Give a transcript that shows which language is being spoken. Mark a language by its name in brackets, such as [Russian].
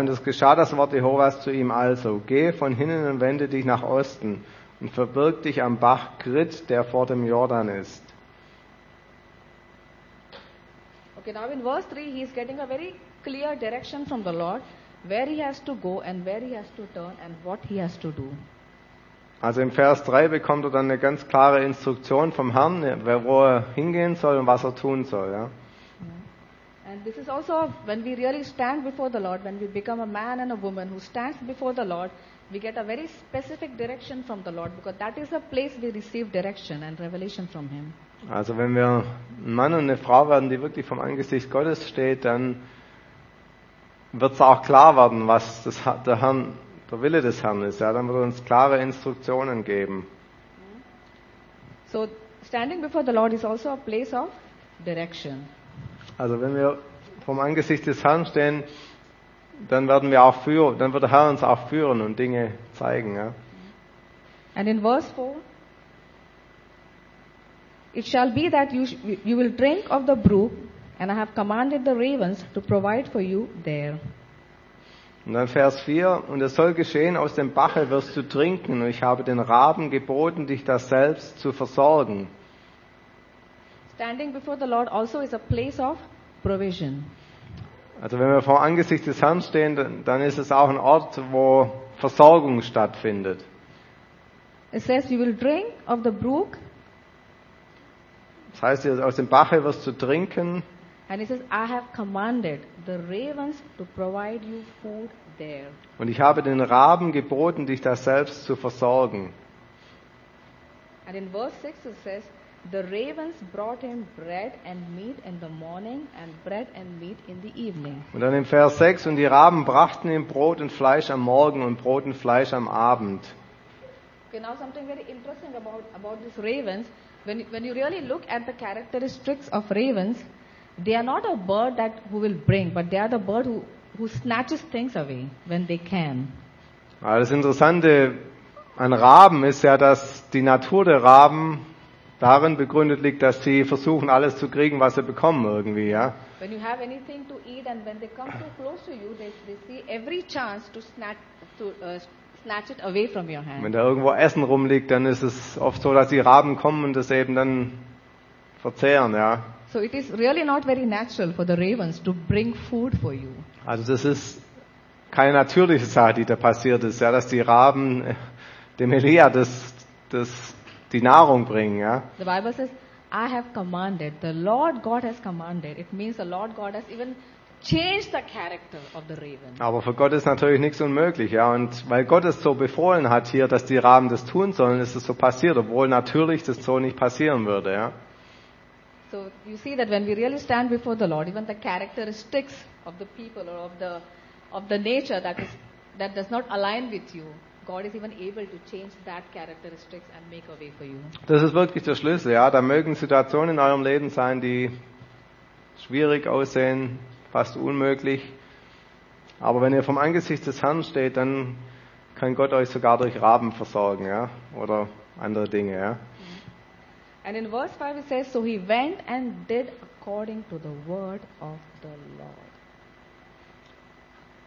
[German] Und es geschah das Wort Jehovas zu ihm also. Geh von hinnen und wende dich nach Osten und verbirg dich am Bach Krit, der vor dem Jordan ist. [English] Okay, now in verse 3 he is getting a very clear direction from the Lord, where he has to go and where he has to turn and what he has to do. [German] Also im Vers 3 bekommt er dann eine ganz klare Instruktion vom Herrn, wo er hingehen soll und was er tun soll, ja. [English] And this is also when we really stand before the Lord, when we become a man and a woman who stands before the Lord, we get a very specific direction from the Lord, because that is a place we receive direction and revelation from him. [German] Also wenn wir ein Mann und eine Frau werden, die wirklich vom Angesicht Gottes steht, dann wird es auch klar werden, was das, der Wille des Herrn ist. Ja, dann wird er uns klare Instruktionen geben. [English] So, standing before the Lord is also a place of direction. [German] Also, wenn wir vom Angesicht des Herrn stehen, dann werden wir auch führen. Dann wird der Herr uns auch führen und Dinge zeigen. Ja. [English] And in verse 4, it shall be that you will drink of the brook. And I have commanded the ravens to provide for you there. [German] Und dann Vers 4, und es soll geschehen, aus dem Bache wirst du trinken, und ich habe den Raben geboten, dich das selbst zu versorgen. [English] Standing before the Lord also is a place of provision. [German] Also wenn wir vor Angesicht des Herrn stehen, dann ist es auch ein Ort, wo Versorgung stattfindet. [English] It says you will drink of the brook. [German] Das heißt, aus dem Bache wirst du trinken. [English] And he says, I have commanded the ravens to provide you food there. [German] Und ich habe den Raben geboten, dich da selbst zu versorgen. [English] And in verse 6 it says, the ravens brought him bread and meat in the morning and bread and meat in the evening. [German] Und dann im Vers 6, und die Raben brachten ihm Brot und Fleisch am Morgen und Brot und Fleisch am Abend. [English] Okay, now something very interesting about these ravens. When you really look at the characteristics of ravens, they are not a bird that who will bring, but they are the bird who snatches things away when they can. [German] Das Interessante an Raben ist ja, dass die Natur der Raben darin begründet liegt, dass sie versuchen, alles zu kriegen, was sie bekommen irgendwie, ja. [English] When you have anything to eat and when they come too close to you, they see every chance to snatch snatch it away from your hand. [German] Wenn da irgendwo Essen rumliegt, dann ist es oft so, dass die Raben kommen und das eben dann verzehren, ja. [English] So it is really not very natural for the ravens to bring food for you. [German] Also das ist keine natürliche Sache, die da passiert ist, ja, dass die Raben dem Elia das die Nahrung bringen, ja. [English] The Bible says, I have commanded. The Lord God has commanded. It means the Lord God has even changed the character of the raven. [German] Aber für Gott ist natürlich nichts unmöglich, ja. Und weil Gott es so befohlen hat hier, dass die Raben das tun sollen, ist es so passiert, obwohl natürlich das so nicht passieren würde, ja. [English] So you see that when we really stand before the Lord, even the characteristics of the people or of the nature that does not align with you, God is even able to change that characteristics and make a way for you. [German] Das ist wirklich der Schlüssel, ja. Da mögen Situationen in eurem Leben sein, die schwierig aussehen, fast unmöglich. Aber wenn ihr vom Angesicht des Herrn steht, dann kann Gott euch sogar durch Raben versorgen, ja, oder andere Dinge, ja. [English] And in verse 5 it says, so he went and did according to the word of the Lord.